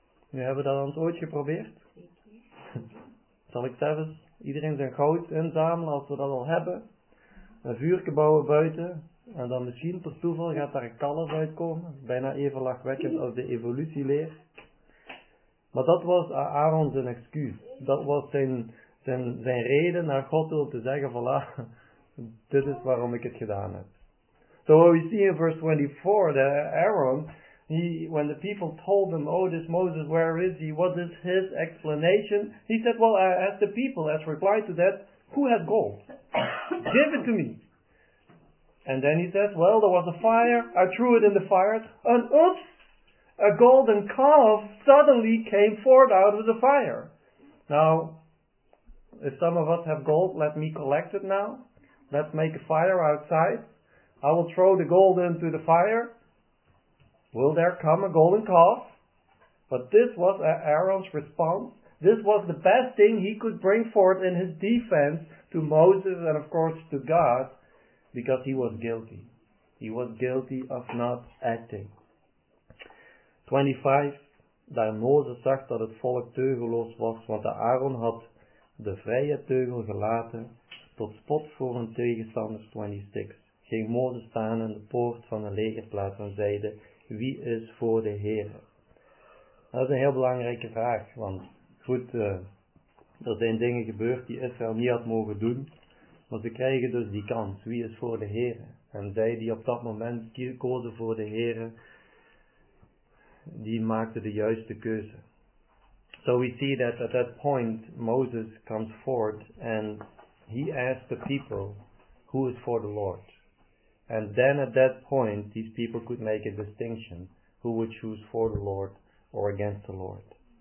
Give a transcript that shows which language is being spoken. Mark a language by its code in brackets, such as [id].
[nl] Nu hebben we dat al ooit geprobeerd. Zal ik zelfs iedereen zijn goud inzamelen als we dat al hebben, een vuurke bouwen buiten, en dan misschien per toeval gaat daar een kalf uitkomen, bijna even lachwekkend als de evolutieleer. Maar dat was Aaron zijn excuus, dat was zijn reden naar God toe om te zeggen, voilà, dit is waarom ik het gedaan heb. [en] So what we see in verse 24, that Aaron, when the people told him, oh, this Moses, where is he? What is his explanation? He said, well, as the people has replied to that, who had gold? Give it to me. And then he says, well, there was a fire. I threw it in the fire. And oops, a golden calf suddenly came forth out of the fire. Now, if some of us have gold, let me collect it now. Let's make a fire outside. I will throw the gold into the fire. Will there come a golden calf? But this was Aaron's response. This was the best thing he could bring forth in his defense to Moses and, of course, to God, because he was guilty. He was guilty of not acting. 25. [nl] Daar Moses zag dat het volk teugelloos was, want Aaron had de vrije teugel gelaten tot spot voor hun tegenstanders. 26. Ging Moses staan in de poort van de legerplaats en zeide, wie is voor de Heer? Dat is een heel belangrijke vraag, want goed, er zijn dingen gebeurd die Israël niet had mogen doen, maar ze krijgen dus die kans, wie is voor de Heer? En zij die op dat moment kozen voor de Heer, die maakten de juiste keuze. [en] So we see that at that point Moses comes forth and he asks the people, who is for the Lord? And then at that point, these people could make a distinction, who would choose for the Lord or against the Lord.